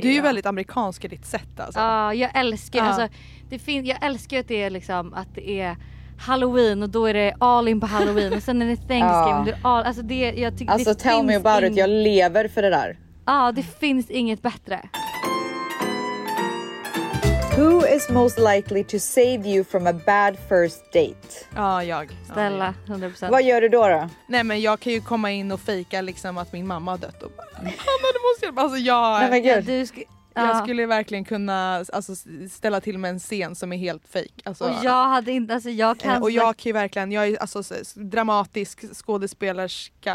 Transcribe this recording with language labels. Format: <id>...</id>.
<sv>Du är ju väldigt amerikansk i ditt sätt. Ja, alltså. Jag älskar ju. Alltså, jag älskar att det är liksom att det är Halloween och då är det all in på Halloween. Och sen är det Thanksgiving.</sv> <en>Tell me about it.</en> <sv>Jag lever för det där. Ja, det finns inget bättre.</sv> <en>Who is most likely to save you from a bad first date?</en> <sv>Ja, jag. Stella, 100%. Vad gör du då? Nej, men jag kan ju komma in och fejka liksom att min mamma har dött. Och bara, du måste hjälpa. Alltså, jag... Nej, men gud. Jag skulle verkligen kunna alltså, ställa till med en scen som är helt fejk. Alltså, och jag hade inte, alltså jag kan... Och jag kan ju verkligen, jag är alltså, dramatisk skådespelerska.</sv>